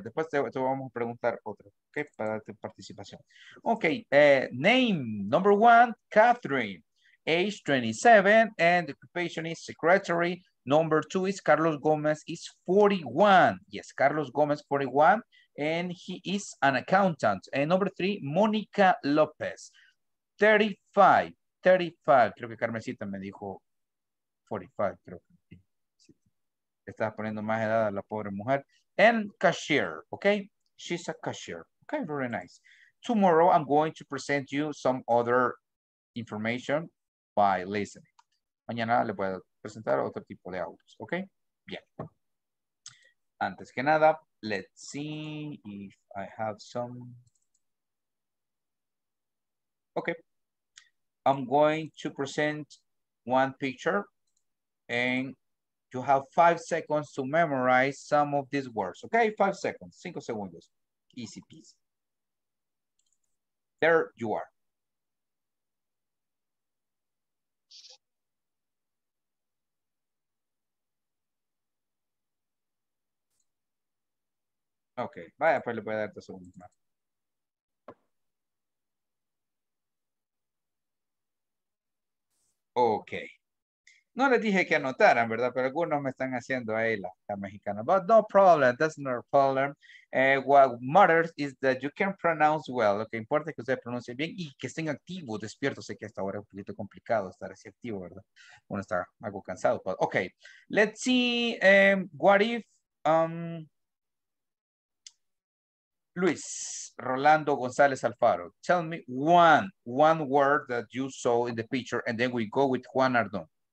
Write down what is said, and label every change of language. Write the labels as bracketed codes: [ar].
[es] Después te vamos a preguntar otra, okay, para tu participación. [en] Okay, name, number one, Catherine, age 27, and occupation is secretary. Number two is Carlos Gomez, is 41. Yes, Carlos Gomez, 41, and he is an accountant. And number three, Monica Lopez, 35. [es] Creo que Carmencita me dijo 45, creo que. Estaba poniendo más edad a la pobre mujer. [en] And cashier, okay? She's a cashier. Okay, very nice. Tomorrow, I'm going to present you some other information by listening. [es] Mañana le voy a presentar otro tipo de autos, ¿ok? Bien. Antes que nada, [en] let's see if I have some. Ok. I'm going to present one picture and you have 5 seconds to memorize some of these words, ¿ok? 5 seconds, [es] 5 segundos. [en] Easy peasy. There you are. [es] Ok, vaya, pues le voy a dar 2 segundos más. Ok. No les dije que anotaran, ¿verdad? Pero algunos me están haciendo ahí la mexicana. [en] But no problem, that's no problem. What matters is that you can pronounce well. [es] Lo que importa es que ustedes pronuncien bien y que estén activos, despiertos. Sé que hasta ahora es un poquito complicado estar así activo, ¿verdad? Uno está algo cansado. [en] But ok, let's see, what if... Luis Rolando González Alfaro, tell me one word that you saw in the picture and then we go with Juan Ardón.